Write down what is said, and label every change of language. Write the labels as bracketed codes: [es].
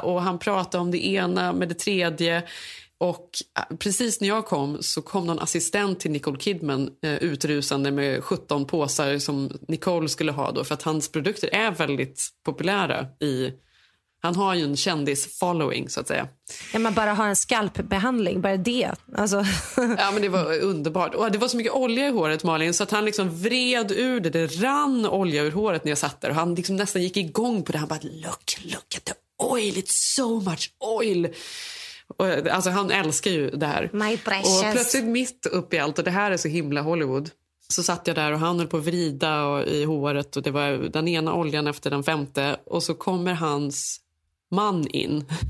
[sv] Och han pratade om det ena med det tredje. Och precis när jag kom så kom någon assistent till Nicole Kidman utrusande med 17 påsar som Nicole skulle ha då. För att hans produkter är väldigt populära i... Han har ju en kändis-following, så att säga. Ja, man bara har en skalpbehandling, bara det. Alltså. Ja, men det var underbart. Och det var så mycket olja i håret, Malin, så att han liksom vred ur det. Det rann olja ur håret när jag satt där. Och han liksom nästan gick igång på det. Han bara, [en] look at the oil, it's so much oil. [sv] Och, alltså, han älskar ju det här. [en] My precious. [sv] Och plötsligt mitt upp i allt, och det här är så himla Hollywood. Så satt jag där och han höll på att vrida i håret och det var den ena oljan efter den femte. Och så kommer hans man in.